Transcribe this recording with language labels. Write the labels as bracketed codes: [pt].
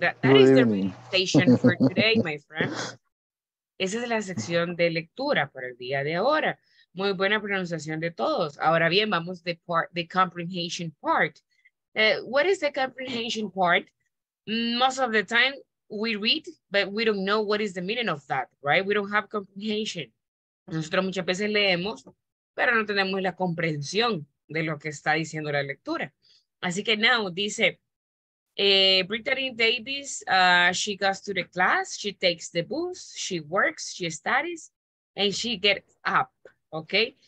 [en] That is the presentation for today, my friend. [es] Esa es la sección de lectura para el día de ahora. Muy buena pronunciación de todos. Ahora bien, vamos de part, [en] the comprehension part. What is the comprehension part? Most of the time we read, but we don't know what is the meaning of that, right? We don't have comprehension. [es] Nosotros muchas veces leemos, pero no tenemos la comprensión de lo que está diciendo la lectura. Así que [en] now dice, Brittany Davis, she goes to the class, she takes the bus, she works, she studies, and she gets up, okay?